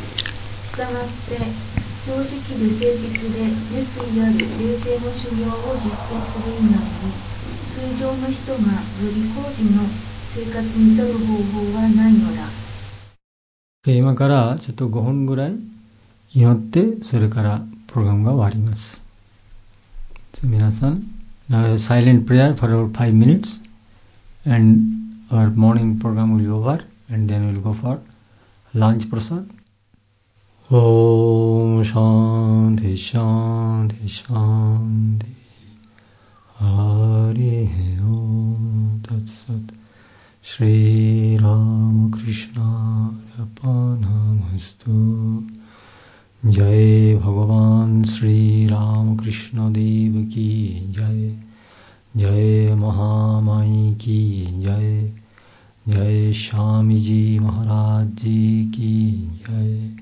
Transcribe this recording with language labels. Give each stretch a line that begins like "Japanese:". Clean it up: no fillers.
Japanese: したがって正直で誠実で熱意ある冷静の修行を実践する意味に通常の人がより高次の生活に至る方法はないのだ。今からちょっと5分ぐらい祈ってそれからプログラムが終わります。
English: 皆さん、now a silent prayer for about 5 minutes and our morning program will be over and then we'll go for lunch prasad.
Sanskrit: Om Shanti Shanti Shanti Hari Om Tat Sat Shri Ramakrishna Arapanamastu
Hindi: जय भगवान श्री राम कृष्ण देव की जय जय महामाई की जय जय श्यामी जी महाराज जी की जय